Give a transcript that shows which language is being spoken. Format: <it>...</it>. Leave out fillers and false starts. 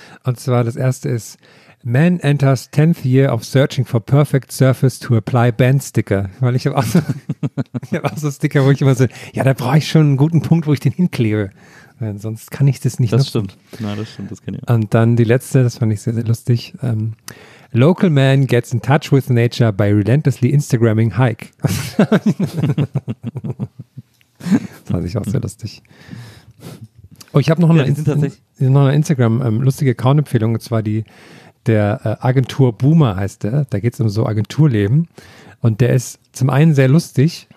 <de>Und zwar das erste ist,</de> <en>Man enters 10th year of searching for perfect surface to apply band sticker.</en> <de>Weil ich habe auch, so, hab auch so Sticker, wo ich immer so, ja, da brauche ich schon einen guten Punkt, wo ich den hinklebe. Weil sonst kann ich das nicht. Das nutzen. Stimmt. Nein, das stimmt, das kann ich. Und dann die letzte, das fand ich sehr, sehr lustig.</de> <en>Local man gets in touch with nature by relentlessly Instagramming hike.</en> <de>Das fand ich auch sehr lustig. Oh, ich habe noch, ja, noch eine Instagram lustige Account-Empfehlung, und zwar die der Agentur Boomer heißt der. Da geht es um so Agenturleben. Und der ist zum einen sehr lustig.</de>